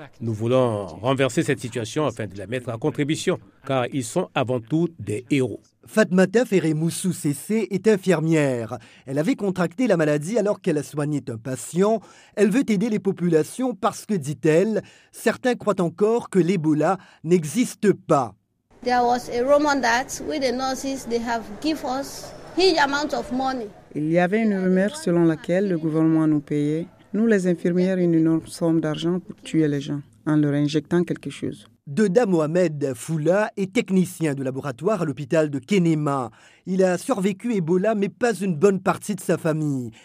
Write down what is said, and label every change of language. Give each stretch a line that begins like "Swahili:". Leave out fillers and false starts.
French: Nous voulons renverser cette situation afin de la mettre à contribution, car ils sont avant tout des héros. Fatmata Feremoussou Sessé est infirmière. Elle avait contracté la maladie alors qu'elle soignait un patient. Elle veut aider les populations parce que, dit-elle, certains croient encore que l'Ebola n'existe pas.
English: There was a rumor that with the nurses they have given us huge amount of money.
French: Il y avait une rumeur selon laquelle le gouvernement nous payait, nous les infirmières, une énorme somme d'argent pour tuer les gens en leur injectant quelque chose. Deda Mohamed Foula est technicien de laboratoire à l'hôpital de Kenema. Il a survécu Ebola, mais pas une bonne partie de sa famille.